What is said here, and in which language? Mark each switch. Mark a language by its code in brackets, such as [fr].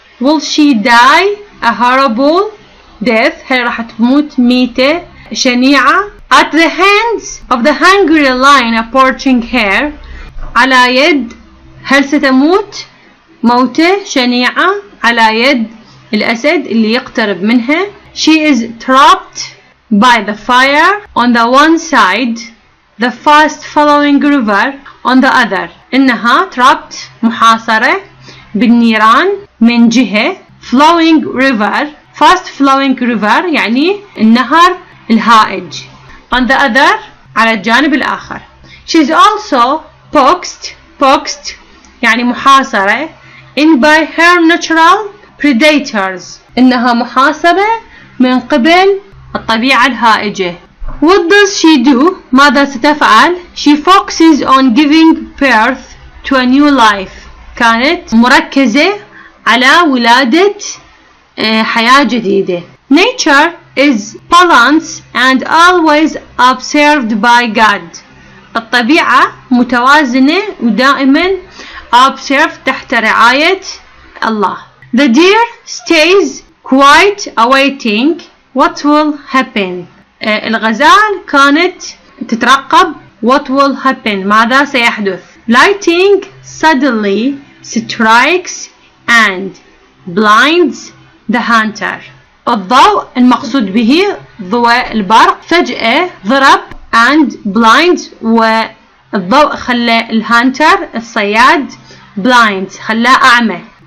[en] Will she die a horrible death [ar] هل راح تموت ميتة شنيعة. [en] At the hands of the hungry lion approaching her [ar] على يد هل ستموت موتة شنيعة على يد الأسد اللي يقترب منها. [en] She is trapped by the fire on the one side, the fast following river on the other. [ar] إنها trapped محاصرة بالنيران من جهة flowing river [en] fast flowing river [ar] يعني النهر الهائج [en] on the other [ar] على الجانب الآخر. [en] She is also poxed [ar] يعني محاصرة [en] in by her natural predators [ar] إنها محاصرة من قبل الطبيعة الهائجة. [en] What does she do [ar] ماذا ستفعل؟ [en] She focuses on giving birth to a new life [ar] كانت مركزة على ولادة حياة جديدة. [en] Nature is balanced and always observed by God [ar] الطبيعة متوازنة ودائما [en] observed [ar] تحت رعاية الله. [en] The deer stays quiet awaiting what will happen. [ar] الغزال كانت تترقب [en] what will happen [ar] ماذا سيحدث. [en] Lighting suddenly strikes and blinds the hunter. [ar] الضوء المقصود به ضوء البرق فجأة ضرب [en] and blinds [ar] والضوء خلى الهانتر الصياد blind خلاه أعمى.